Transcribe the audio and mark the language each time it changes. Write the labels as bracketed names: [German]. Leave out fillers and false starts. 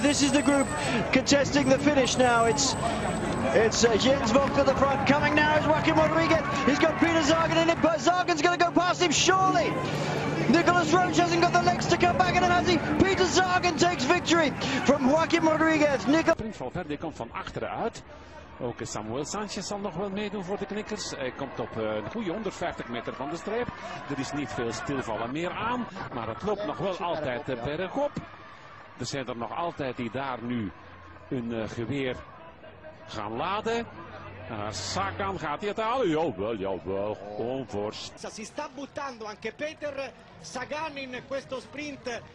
[English] This is the group contesting the finish now. It's Jens Vogt at the front. Coming now is Joaquin Rodriguez. He's got Peter Sagan in it, but Sagan's going to go past him, surely. Nicholas Roach hasn't got the legs to come back in, and has he? Peter Sagan takes victory from Joaquin Rodriguez. [Dutch] Prins Valverde komt van achteruit. Ook Samuel Sanchez zal nog wel meedoen voor de knikkers. Hij komt op een goede 150 meter van de streep. Er is niet veel stilvallen meer aan, maar het loopt nog wel altijd bergop. Er zijn er nog altijd die daar nu hun geweer gaan laden. Sagan gaat hij het halen? Jawel, jawel, gewoon voor. [Italian] Si sta buttando anche Peter Sagan in questo sprint.